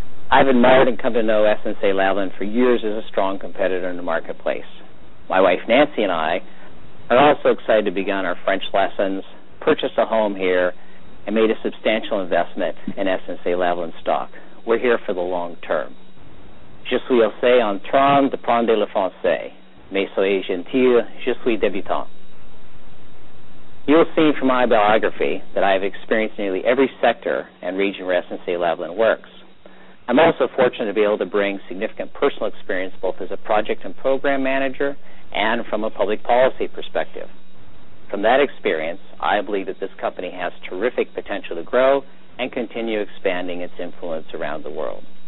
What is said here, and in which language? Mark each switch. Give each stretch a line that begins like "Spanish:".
English: I've admired and come to know SNC-Lavalin for years as a strong competitor in the marketplace. My wife Nancy and I are also excited to begin our French lessons, purchase a home here, and made a substantial investment in SNC-Lavalin stock. We're here for the long term.
French: Je suis aussi en train de prendre le français, mais soyez gentil, je suis débutant.
English: You'll see from my biography that I have experienced nearly every sector and region where SNC-Lavalin works. I'm also fortunate to be able to bring significant personal experience both as a project and program manager and from a public policy perspective. From that experience, I believe that this company has terrific potential to grow and continue expanding its influence around the world.